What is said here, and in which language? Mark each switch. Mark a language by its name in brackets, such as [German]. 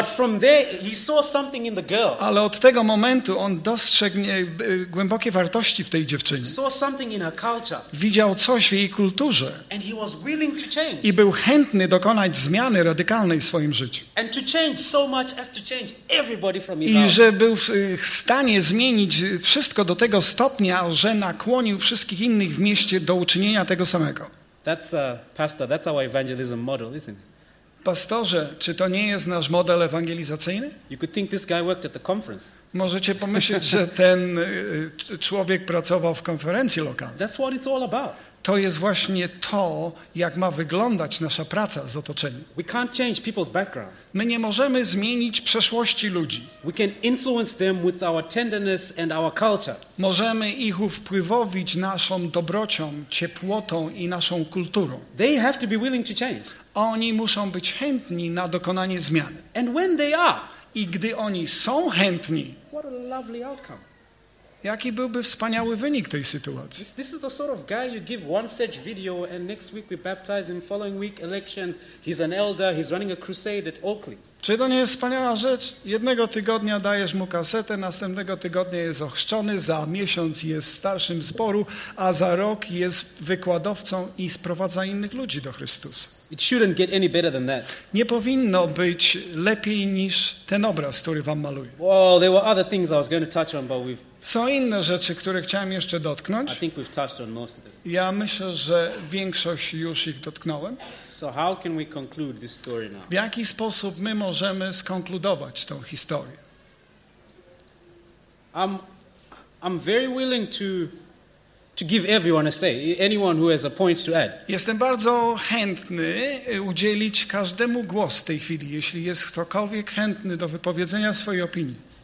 [English] But from there he saw something in the girl. [Polish] Ale od tego momentu on dostrzegł głębokie wartości w tej dziewczynie. [English] Saw something in her culture. [Polish] Widział coś w jej kulturze. [English] And he was willing to change. [Polish] I był chętny dokonać zmiany radykalnej w swoim życiu. [English] And to change so much as to change everybody from his [Polish] I [English] house. [Polish] Że był w stanie zmienić wszystko do tego stopnia, że nakłonił wszystkich innych w mieście do uczynienia tego samego. [English] That's a pastor, that's our evangelism model, isn't it? [Polish] Pastorze, czy to nie jest nasz model ewangelizacyjny? [English] You could think this guy worked at the conference. [Polish] Możecie pomyśleć, że ten człowiek pracował w konferencji lokalnej. [English] That's what it's all about. [Polish] To jest właśnie to, jak ma wyglądać nasza praca z otoczeniem. [English] We can't change people's backgrounds. [Polish] My nie możemy zmienić przeszłości ludzi. [English] We can influence them with our tenderness and our culture. [Polish] Możemy ich wpływowić naszą dobrocią, ciepłotą i naszą kulturą. [English] They have to be willing to change. [Polish] Oni muszą być chętni na dokonanie zmian. [English] And when they are, [Polish] i gdy oni są chętni, [English] what a lovely outcome. [Polish] Jaki byłby wspaniały wynik tej sytuacji? [English] This is the sort of guy you give one such video and next week we baptize him, following week elections, he's an elder, he's running a crusade at Oakley. [Polish] Czy to nie jest wspaniała rzecz? Jednego tygodnia dajesz mu kasetę, następnego tygodnia jest ochrzczony, za miesiąc jest starszym zboru, a za rok jest wykładowcą i sprowadza innych ludzi do Chrystusa. [English] It shouldn't get any better than that. [Polish] Nie powinno być lepiej niż ten obraz, który wam maluję. [English] Well, there were other things I was going to touch on, but we've... [Polish] Są inne rzeczy, które chciałem jeszcze dotknąć. [English] I think we've touched on most of them. [Polish] Ja myślę, że większość już ich dotknąłem. [English] So how can we conclude this story now? [Polish] W jaki sposób my możemy skonkludować tą historię? [English] I'm very willing to give everyone a say, anyone who has a point to add. [Polish] Jestem bardzo chętny udzielić każdemu głos w tej chwili, jeśli jest ktokolwiek chętny do wypowiedzenia swojej opinii.